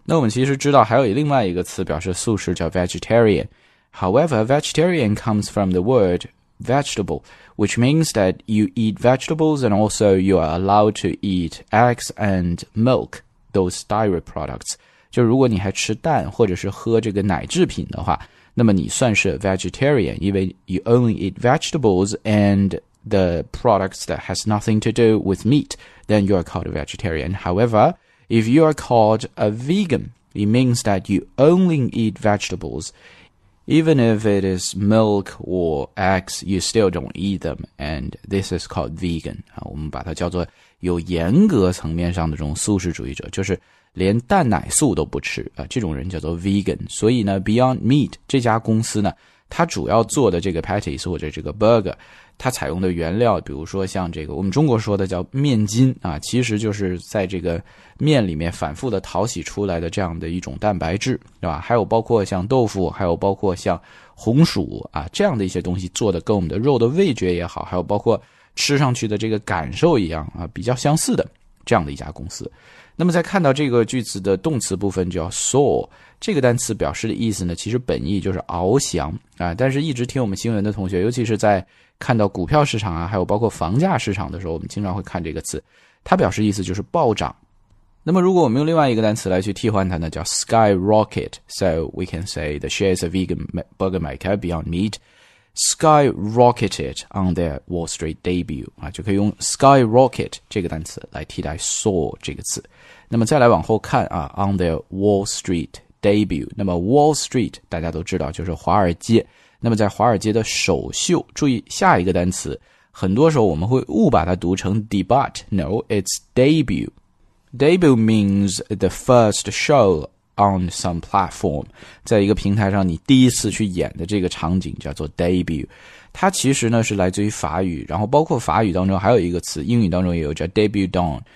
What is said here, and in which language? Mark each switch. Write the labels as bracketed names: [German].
[Chinese] 那我们其实知道还有另外一个词表示素食叫 [English] vegetarian， however vegetarian comes from the word vegetable which means that you eat vegetables and also you are allowed to eat eggs and milk those dairy products， [Chinese] 就如果你还吃蛋或者是喝这个奶制品的话，那么你算是 [English] vegetarian， 因为 you only eat vegetables and the products that has nothing to do with meat, then you are called a vegetarian. However, if you are called a vegan, it means that you only eat vegetables. Even if it is milk or eggs, you still don't eat them. And this is called vegan. [Chinese] 我们把它叫做有严格层面上的这种素食主义者，就是连蛋奶素都不吃啊，这种人叫做 vegan。所以呢 Beyond Meat 这家公司呢，它主要做的这个 patties 或者这个 burger， 它采用的原料比如说像这个我们中国说的叫面筋啊，其实就是在这个面里面反复的淘洗出来的这样的一种蛋白质，对吧？还有包括像豆腐，还有包括像红薯啊，这样的一些东西做的跟我们的肉的味觉也好，还有包括吃上去的这个感受一样啊，比较相似的这样的一家公司。那么在看到这个句子的动词部分叫 soar， 这个单词表示的意思呢其实本意就是翱翔啊，但是一直听我们新闻的同学，尤其是在看到股票市场啊还有包括房价市场的时候，我们经常会看这个词，它表示意思就是暴涨。那么如果我们用另外一个单词来去替换它呢，叫 skyrocket. [English] So we can say the shares of vegan burger maker Beyond Meat skyrocketed on their Wall Street debut. [Chinese] 啊，就可以用 skyrocket 这个单词来替代 soar 这个词。那么再来往后看啊 , [English] on their Wall Street debut. [Chinese] 那么 Wall Street, 大家都知道就是华尔街。那么在华尔街的首秀，注意下一个单词，很多时候我们会误把它读成 debut. [English] No, it's debut. Debut means the first show on some platform. [Chinese] 在一个平台上你第一次去演的这个场景叫做 debut. 它其实呢是来自于法语，然后包括法语当中还有一个词，英语当中也有叫 debut dawn.